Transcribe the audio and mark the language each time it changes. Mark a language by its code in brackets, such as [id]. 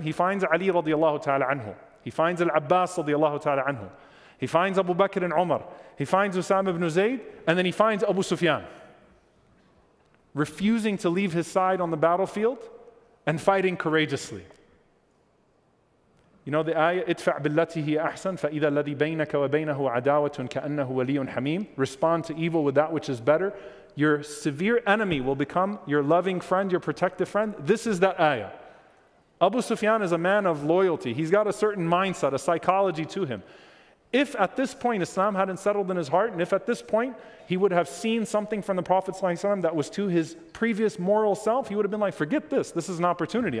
[en] He finds Ali radiallahu ta'ala anhu. He finds Al-Abbas radiallahu ta'ala anhu. He finds Abu Bakr and Umar. He finds Usama ibn Zayd, and then he finds Abu Sufyan, refusing to leave his side on the battlefield and fighting courageously. You know the ayah, [ar] اِدْفَعْ بِالَّتِهِ أَحْسَنْ فَإِذَا الَّذِي بَيْنَكَ وَبَيْنَهُ عَدَاوَةٌ كَأَنَّهُ وَلِيٌّ حَمِيمٌ. [en] Respond to evil with that which is better. Your severe enemy will become your loving friend, your protective friend. This is that ayah. Abu Sufyan is a man of loyalty. He's got a certain mindset, a psychology to him. If at this point Islam hadn't settled in his heart, and if at this point he would have seen something from the Prophet ﷺ that was to his previous moral self, he would have been like, forget this, this is an opportunity.